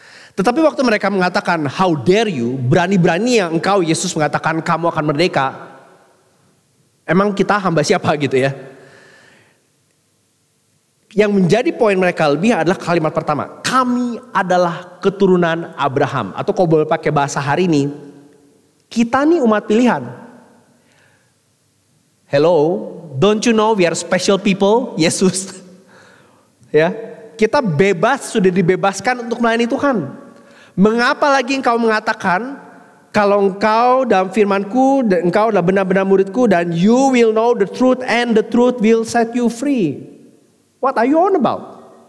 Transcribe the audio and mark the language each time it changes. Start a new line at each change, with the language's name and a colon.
Indonesian: Tetapi waktu mereka mengatakan
English: how dare you,
Indonesian: berani-berani yang engkau Yesus mengatakan kamu akan merdeka. Emang kita hamba siapa gitu ya. Yang menjadi poin mereka lebih adalah kalimat pertama. Kami adalah keturunan Abraham. Atau kalau boleh pakai bahasa hari ini. Kita nih umat pilihan.
English: Hello, don't you know we are special people, Yesus.
Indonesian: Ya, kita bebas, sudah dibebaskan untuk melayani Tuhan. Mengapa lagi engkau mengatakan kalau engkau dalam firmanku, engkau adalah benar-benar muridku, dan
English: you will know the truth and the truth will set you free. What are you on about?